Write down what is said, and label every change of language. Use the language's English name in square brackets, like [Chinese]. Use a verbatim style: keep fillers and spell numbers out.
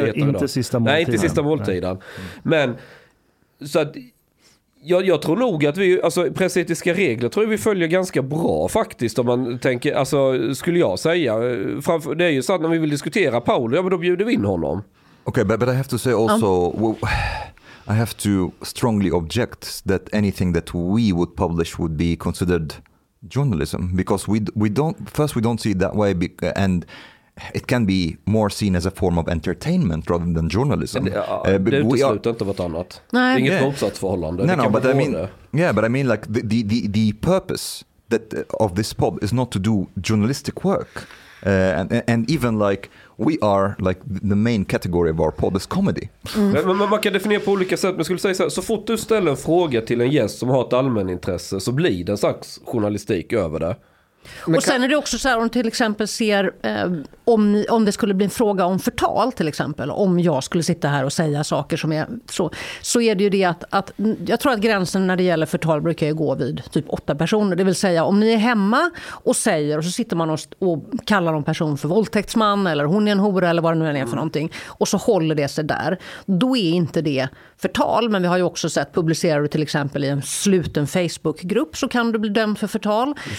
[Swedish] heter inte då. Sista måltiden. Nej, inte sista måltiden. Men så att Jag, jag tror nog att vi, alltså pressetiska regler tror jag vi följer ganska bra faktiskt om man tänker, alltså skulle jag säga, framför, det är ju så att när vi vill diskutera Paolo, ja men då bjuder vi in honom. Okej, [English] okay, but, but I have to say also, um. well, I have to strongly object that anything that we would publish would be considered journalism because we, we don't, first we don't see it that way and it can be more seen as a form of entertainment rather than journalism. [Swedish] Ja, det utesluter inte något annat. Det är inget motsatsförhållande. [English] No, [Swedish] det [English] no, but I mean, yeah, but I mean like the, the, the, the purpose that of this pod is not to do journalistic work. Uh, and, and even like we are like the main category of our pod is comedy. Mm. [Swedish] Men, men man kan definiera på olika sätt. Men skulle säga så här, så fort du ställer en fråga till en gäst som har ett allmänintresse så blir det en slags journalistik över det. Men och sen är det också så här, om till exempel ser eh, om, ni, om det skulle bli en fråga om förtal till exempel, om jag skulle sitta här och säga saker som är så, så är det ju det att, att jag tror att gränsen när det gäller förtal brukar ju gå vid typ åtta personer, det vill säga om ni är hemma och säger, och så sitter man och, och kallar någon person för våldtäktsman eller hon är en hora eller vad det nu än är för någonting och så håller det sig där, då är inte det förtal, men vi har ju också sett, publicerar du till exempel i en sluten Facebookgrupp så kan du bli dömd för förtal.